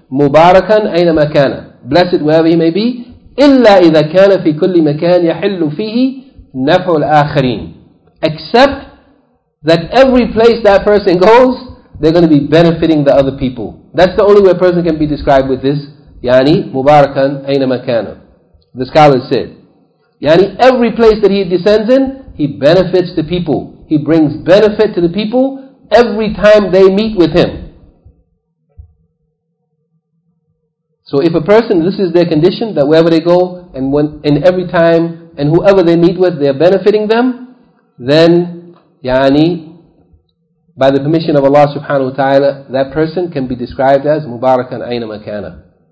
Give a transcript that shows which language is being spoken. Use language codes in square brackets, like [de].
[ar] مُبَارَكًا أَيْنَمَا كَانَ [en] Blessed wherever he may be. [ar] إِلَّا إِذَا كَانَ فِي كُلِّ مَكَانَ يَحِلُّ فِيهِ نَفْعُ الْآخَرِينَ [en] Except that every place that person goes, they're going to be benefiting the other people. That's the only way a person can be described with this. [ar] يعني مُبَارَكًا أَيْنَمَا كَانَ [en] The scholars said. يعني every place that he descends in, he benefits the people. He brings benefit to the people every time they meet with him. So if a person, this is their condition, that wherever they go, and when and every time, and whoever they meet with, they are benefiting them, then, yani, by the permission of Allah subhanahu wa ta'ala, that person can be described as [ar] mubarakan ayna makana.